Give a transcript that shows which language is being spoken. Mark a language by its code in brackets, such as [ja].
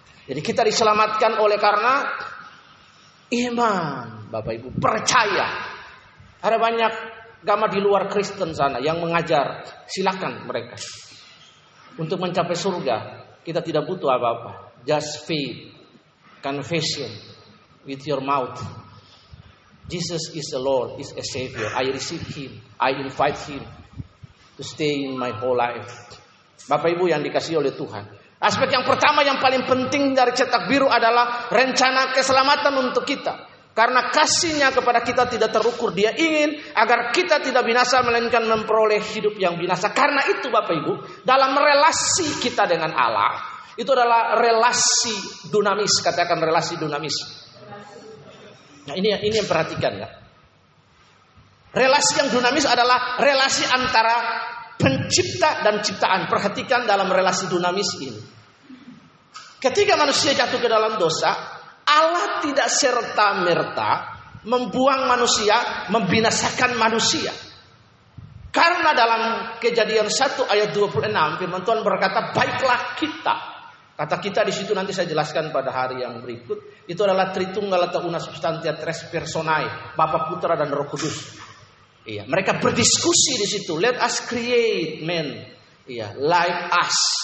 [id] Jadi kita diselamatkan oleh karena iman, Bapak Ibu, percaya. Ada banyak agama di luar Kristen sana yang mengajar, silakan mereka. Untuk mencapai surga, kita tidak butuh apa-apa. [en] Just faith, confession with your mouth. Jesus is the Lord, is a Savior. I receive Him, I invite Him to stay in my whole life. [id] Bapak Ibu yang dikasihi oleh Tuhan, aspek yang pertama yang paling penting dari cetak biru adalah rencana keselamatan untuk kita. Karena kasihnya kepada kita tidak terukur. Dia ingin agar kita tidak binasa melainkan memperoleh hidup yang binasa. Karena itu Bapak Ibu, dalam relasi kita dengan Allah, itu adalah relasi dunamis. Katakan relasi dunamis. Nah ini yang perhatikan ya. Relasi yang dunamis adalah relasi antara pencipta dan ciptaan. Perhatikan dalam relasi dunamis ini. Ketika manusia jatuh ke dalam dosa, Allah tidak serta-merta membuang manusia, membinasakan manusia. Karena dalam Kejadian 1 ayat 26, firman Tuhan berkata, baiklah kita. Kata kita di situ nanti saya jelaskan pada hari yang berikut. Itu adalah Tritunggal atau [la] una substantia tres personae, [id] Bapa, Putra dan Roh Kudus. Iya, mereka berdiskusi di situ. [en] Let us create man, [id] iya, [en] like us.